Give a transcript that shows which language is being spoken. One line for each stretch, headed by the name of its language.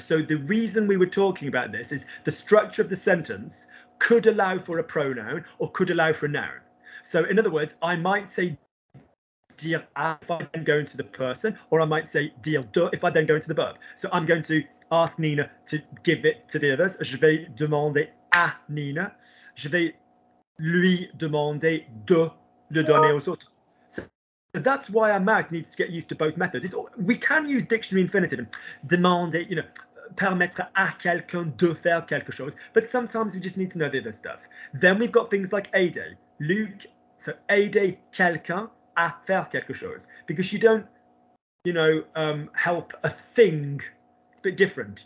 English: So the reason we were talking about this is the structure of the sentence could allow for a pronoun or could allow for a noun. So in other words, I might say dire à if I then go into the person, or I might say dire de if I then go into the verb. So I'm going to ask Nina to give it to the others.
French: Je vais demander à Nina. Je vais lui demander de le donner aux autres.
English: So that's why our mouth needs to get used to both methods. We can use dictionary infinitive and demander, you know,
French: permettre à quelqu'un de faire quelque chose,
English: but sometimes we just need to know the other stuff. Then we've got things like aider. Luke, so
French: aider quelqu'un à faire quelque chose,
English: because you don't, you know, help a thing. It's a bit different.